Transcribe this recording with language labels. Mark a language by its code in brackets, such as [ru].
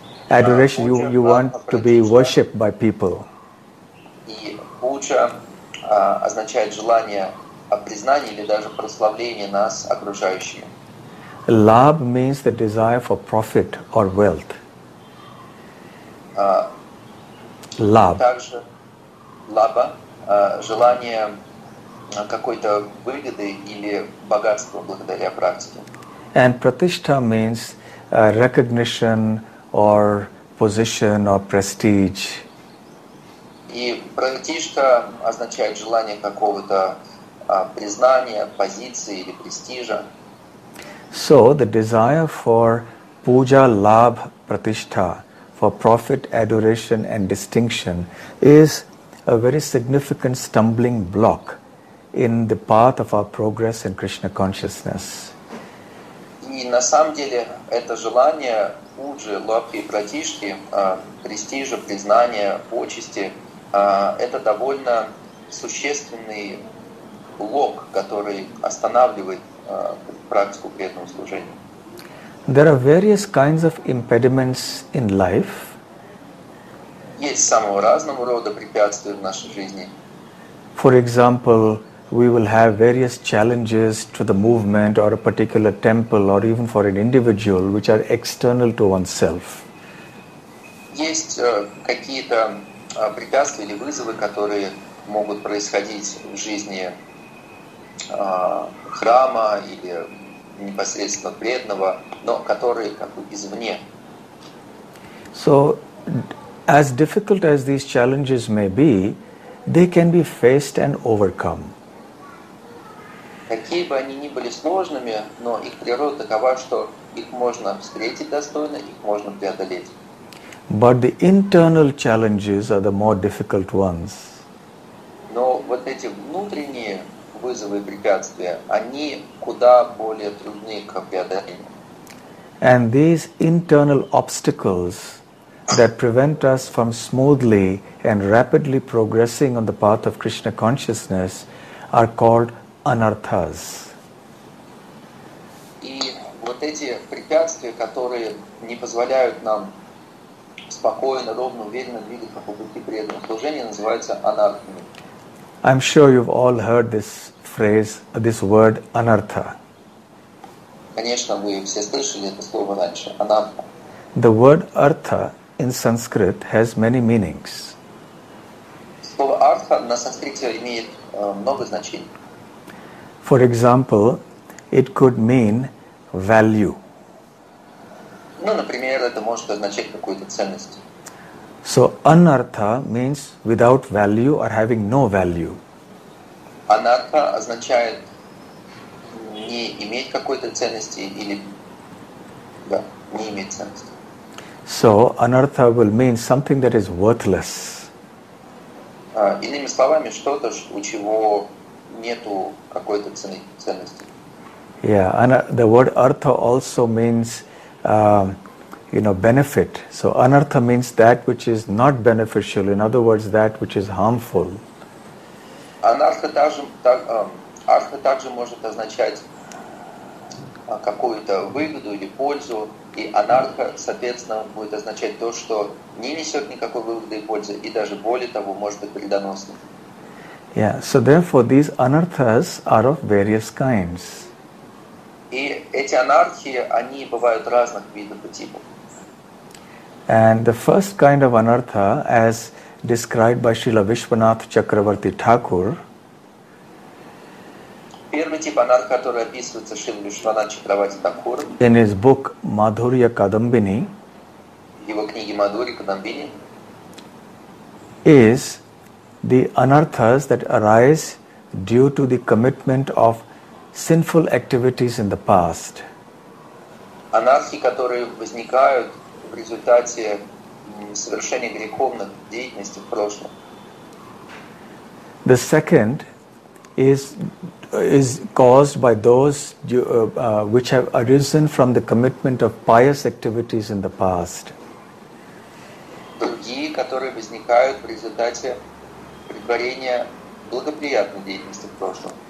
[en] Adoration, you want to be worshipped by people. [ru] И Puja означает желание признания или даже прославления нас окружающими. [en] Labh means the desire for profit or wealth. Love. [ru] Также лаба, желание какой-то выгоды или богатства благодаря практике. [en] And pratishtha means recognition or position or prestige. [ru] И pratishtha означает желание какого-то признания, позиции или престижа. [en] So the desire for puja, labh, pratishtha, for profit, adoration, and distinction is a very significant stumbling block in the path of our progress in Krishna consciousness. [ru] И на самом деле это желание пуджи, лабхи и пратишхи, престижа, признания, почести, это довольно существенный блок, который останавливает практику преданного служения. [en] There are various kinds of impediments in life. [ru] Есть самого разного рода препятствия в нашей жизни. [en] For example, we will have various challenges to the movement or a particular temple or even for an individual which are external to oneself. [ru] Есть какие-то препятствия или вызовы, которые могут происходить в жизни храма или непосредственно преданного, но который как бы извне. [en] So, as difficult as these challenges may be, they can be faced and overcome. [ru] Какие бы они ни были сложными, но их природа такова, что их можно встретить достойно, их можно преодолеть. [en] But the internal challenges are the more difficult ones. [ru] Но вот эти внутренние вызовы и препятствия, они куда более трудны к преодолению. [en] And these internal obstacles that prevent us from smoothly and rapidly progressing on the path of Krishna consciousness are called anarthas. [ru] И вот эти препятствия, которые не позволяют нам спокойно, ровно, уверенно двигаться по пути преданного служения, называются анартхами. [en] I'm sure you've all heard this phrase, this word anartha. [ru] Конечно, вы все слышали это слово раньше, анартха. [en] The word artha in Sanskrit has many meanings. [ru] Слово артха на санскрите имеет много значений. [en] For example, it could mean value. [ru] Ну, например, это может означать какую-то ценность. [en] So anartha means without value or having no value. [ru] Anartha означает не иметь какой-то ценности или да, не иметь ценности. [en] So anartha will mean something that is worthless. [ru] Иными словами, что-то, у чего нету какой-то ценности. [en] Yeah, and the word artha also means benefit. So anartha means that which is not beneficial, in other words, that which is harmful. [ru] Artha также может означать какую-то выгоду или пользу, и анартха, соответственно, будет означать то, что не несет никакой выгоды и пользы, и даже более того, может быть вредоносным. [en] Yeah, so therefore these anarthas are of various kinds. [ru] И эти анархии, они бывают разных видов и типов. [en] And the first kind of anartha, as described by Srila Vishwanath Chakravarti Thakur. [ru] Первый тип анартха, который описывается Шрила Вишванат Чакраварти Такур. [en] In his book Madhurya Kadambini. [ru] Его книги Madhurya Kadambini. [en] Is the anarthas that arise due to the commitment of sinful activities in the past. [ru] Анархии, которые возникают в результате совершения греховных деятельностей в прошлом. [en] The second is caused by those which have arisen from the commitment of pious activities in the past. [ru] Другие, которые возникают в результате предварения благоприятной деятельности в прошлом.